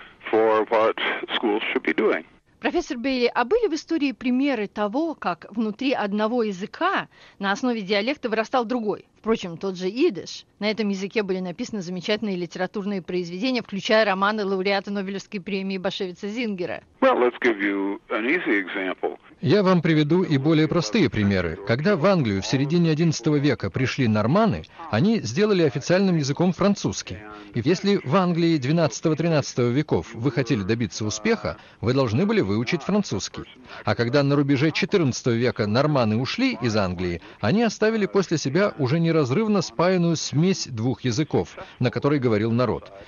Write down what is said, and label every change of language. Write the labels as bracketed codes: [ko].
[en] For what schools should be doing. [ru] Профессор Бейли, а были в истории примеры того, как внутри одного языка на основе диалекта вырастал другой? Впрочем, тот же идиш. На этом языке были написаны замечательные литературные произведения, включая романы лауреата Нобелевской премии Башевица Зингера. [en] Well, let's give you an easy example. [ru] Я вам приведу и более простые примеры. Когда в Англию в середине 11 века пришли норманны, они сделали официальным языком французский. И если в Англии 12-13 веков вы хотели добиться успеха, вы должны были выучить французский. А когда на рубеже 14 века норманны ушли из Англии, они оставили после себя уже неразрывно спаянную смесь двух языков, на которой говорил народ.